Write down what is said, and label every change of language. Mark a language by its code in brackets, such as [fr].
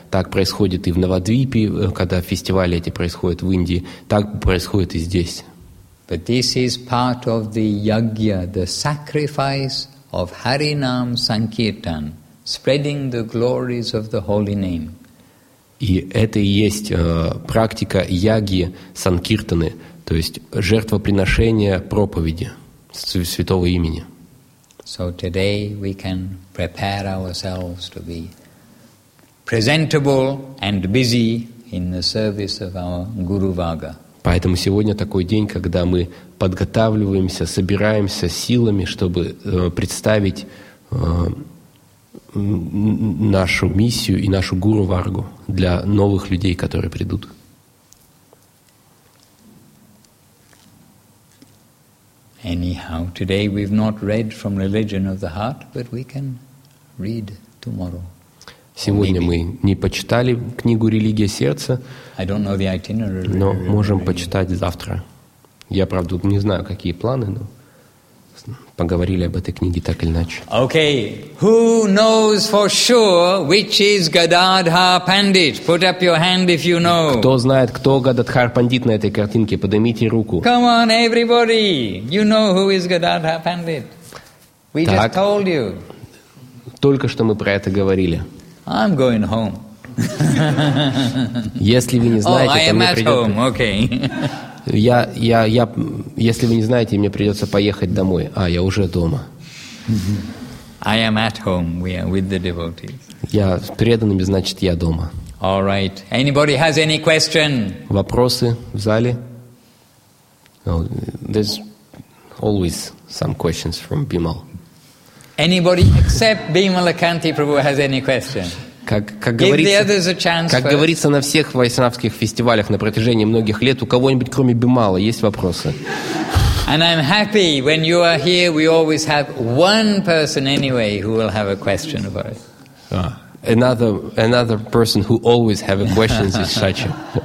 [ru] Так происходит и в Навадвипе, когда фестивали эти происходят в Индии, так происходит и здесь. [en] But this is part of the yagya, the sacrifice of Harinam Sankirtan, spreading the glories of the holy name. [ru] И это и есть практика яги санкиртаны, то есть жертвоприношение проповеди святого имени. [en] So today we can prepare ourselves to be presentable and busy in the service of our Guru Vaga. [ru] Поэтому сегодня такой день, когда мы подготавливаемся, собираемся силами, чтобы представить нашу миссию и нашу гуру варгу для новых людей, которые придут. [en] Anyhow, today we've not read from Religion of the Heart, but we can read tomorrow. [ru] Сегодня мы не почитали книгу «Религия сердца», но можем почитать завтра. Я, правда, не знаю, какие планы, но поговорили об этой книге так или иначе. [en] Okay. Who knows for sure which is Gadadhar Pandit? Put up your hand if you know. Кто знает, кто Гададхар Пандит на этой картинке? Поднимите руку. Come on, everybody. You know who is Gadadhar Pandit. We [ru] так, [en] just told you. [ru] Только что мы про это говорили. [en] I'm going home. [ru] Если вы не знаете, oh, то мне придет... [en] Home. Okay. [ru] Я, если вы не знаете, мне придется поехать домой. А, я уже дома. [en] I am at home. We are with the devotees. [ru] Я с преданными, значит, я дома. [en] All right. Anybody has any question? [ru] Вопросы в зале? [en] There's always some questions from Bimal. Anybody except Bimal Akanti Prabhu has any question? [ru] Как говорится на всех вайшнавских фестивалях на протяжении многих лет, у кого-нибудь кроме Бимала есть вопросы? [en] And I'm happy when you are here, we always have one person anyway who will have a question about it. Another person who always have a question is Sachin.